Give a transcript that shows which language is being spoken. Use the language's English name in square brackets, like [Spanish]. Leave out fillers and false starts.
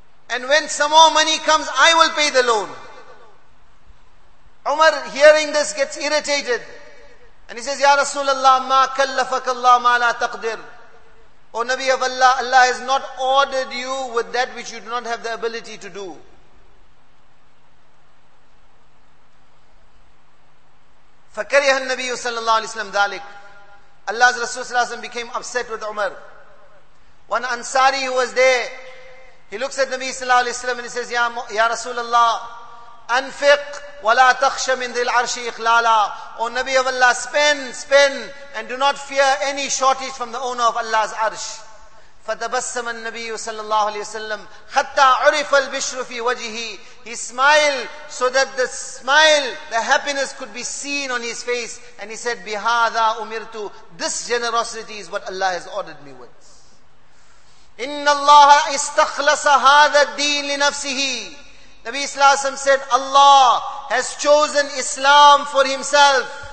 [English] And when some more money comes, I will pay the loan. Umar, hearing this, gets irritated. And he says, [Arabic] "Ya Rasulullah, ma kallafaka Allah ma la taqdir." [English] O Nabi of Allah, Allah has not ordered you with that which you do not have the ability to do. [Arabic] فَكَرِهَ النَّبِيُّ صلى الله عليه وسلم ذلك. [English] Allah's Rasul صلى الله عليه وسلم became upset with Umar. One Ansari who was there, he looks at Nabi sallallahu alayhi wa sallam and he says, [Arabic] "Ya Rasulullah, anfiq wa la takhsha min dhil arshi ikhlala." [English] O Nabi of Allah, spend, spend, and do not fear any shortage from the owner of Allah's arsh. [Arabic] فتبسم النبي صلى الله عليه وسلم حتى عرف البشر في وجهه. [English] He smiled so that the smile, the happiness could be seen on his face. And he said, [Arabic] بِهَذَا أُمِرْتُ. [English] This generosity is what Allah has ordered me with. [Arabic] إِنَّ اللَّهَ إِسْتَخْلَصَ هَذَا الدِّينِ لِنَفْسِهِ. [English] Nabi Sallallahu Alaihi Wasallam said, Allah has chosen Islam for himself.